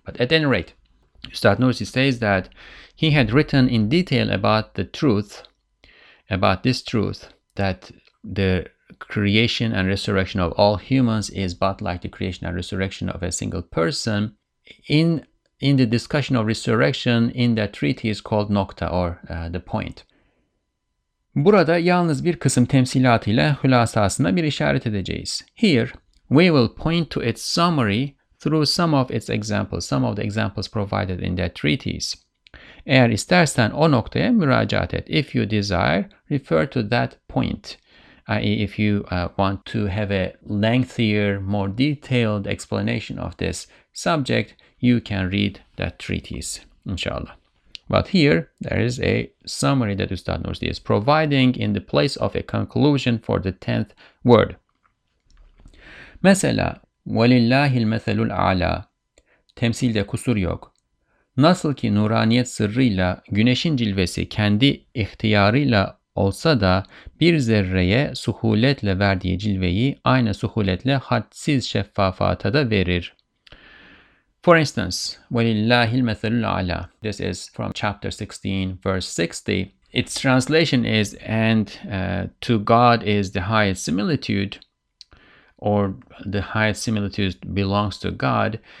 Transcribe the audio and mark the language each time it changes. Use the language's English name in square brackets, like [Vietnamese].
[English] But at any rate, Ustad Nursi says that he had written in detail about the truth, about this truth, that the creation and resurrection of all humans is but like the creation and resurrection of a single person in the discussion of resurrection in that treatise called Nokta, or the point. [Turkish] Burada yalnız bir kısım temsilatıyla hülasasına bir işaret edeceğiz. [English] Here, we will point to its summary through some of its examples, some of the examples provided in that treatise. [Turkish] Eğer istersen o noktaya müracaat et. [English] If you desire, refer to that point. I.e. if you want to have a lengthier, more detailed explanation of this subject, you can read that treatise, inshallah. But here, there is a summary that Ustad Nursi is providing in the place of a conclusion for the 10th word. [Turkish] Mesela, [Arabic] وَلِلَّهِ الْمَثَلُ الْعَلَى [Turkish] Temsilde kusur yok. Nasıl ki nuraniyet sırrıyla, güneşin cilvesi kendi ihtiyarıyla olsa da bir zerreye suhuletle verdiği cilveyi aynı suhuletle hadsiz şeffafata da verir. [English] For instance, [Arabic] وَلِلَّهِ الْمَثَلُ الْعَلَى [English] This is from chapter 16, verse 60. Its translation is, and to God is the highest similitude, or the highest similitude belongs to God.